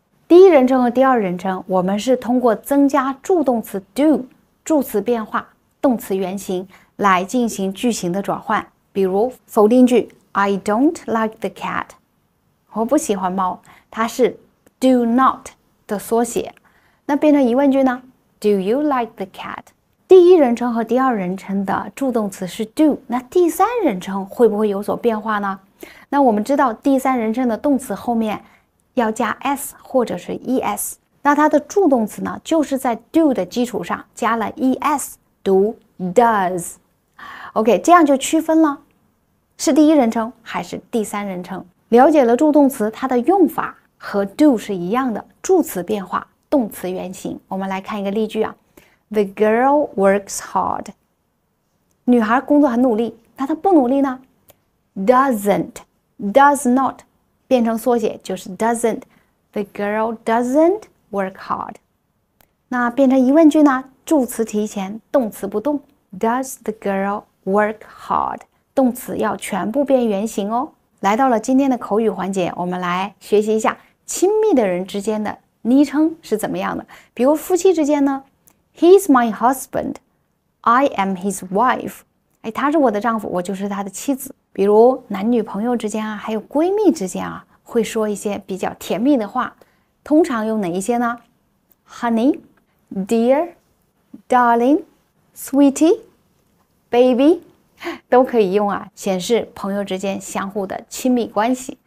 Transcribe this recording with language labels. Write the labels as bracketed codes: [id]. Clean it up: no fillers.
[zh] 第一人称和第二人称，我们是通过增加助动词 do 助词变化、动词原形来进行句型的转换。比如否定句 ， [en] I don't like the cat， [zh] 我不喜欢猫，它是 do not 的缩写。那变成疑问句呢 [en] ？Do you like the cat？ [zh] 第一人称和第二人称的助动词是 do， 那第三人称会不会有所变化呢？那我们知道第三人称的动词后面要加 s 或者是 es， 那它的助动词呢，就是在 do 的基础上加了 es， 读 does。 OK， 这样就区分了，是第一人称还是第三人称。了解了助动词它的用法和 do 是一样的，助词变化、动词原形。我们来看一个例句啊 ， [en] The girl works hard。 [zh] 女孩工作很努力，那她不努力呢 ？Doesn't。 Does not 变成缩写就是 doesn't。 [en] The girl doesn't work hard。 [zh] 那变成疑问句呢？助词提前，动词不动。 [en] Does the girl work hard？ [zh] 动词要全部变原形哦。来到了今天的口语环节，我们来学习一下亲密的人之间的昵称是怎么样的。比如夫妻之间呢 [en] ，He's my husband， I am his wife。 [zh] 哎，他是我的丈夫，我就是他的妻子。比如男女朋友之间啊，还有闺蜜之间啊，会说一些比较甜蜜的话，通常用哪一些呢 ？ [en] Honey, dear, darling, sweetie, baby， [zh] 都可以用啊，显示朋友之间相互的亲密关系。